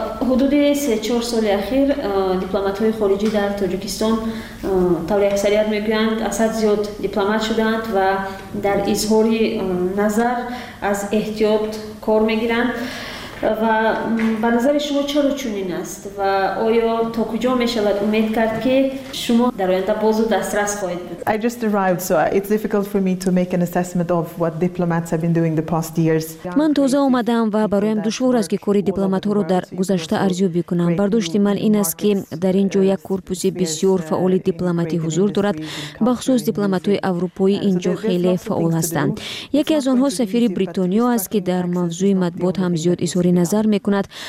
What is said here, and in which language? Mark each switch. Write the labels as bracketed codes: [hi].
[fa] حدود 3-4 سال اخیر دیپلمات‌های خارجی در تاجیکستان طوری اکثریت میگویند اسد زیاد دیپلمات شدند و در اظهار نظر از احتیاط کار میگیرند و به نظر شما چرا چنین است و آیا تا کجا میشود امید کرد که شما در آینده باز دسترس خواهید بود؟ [en] I just arrived, so it's difficult for me to make an assessment of what diplomats have been doing the past years. [fa] من تازه آمدم و برایم دشوار است که کاری دیپلمات ها رو در گذشته ارزیابی کنم. برداشت من این است که در اینجا یک کورپوس بسیار فعال دیپلماتی حضور دارد. بخصوص دیپلمات های اروپایی اینجا خیلی فعال هستند. یکی از آنها سفیر بریتانیا است که در موضوع مطبوعات هم زیاد نظر میکند.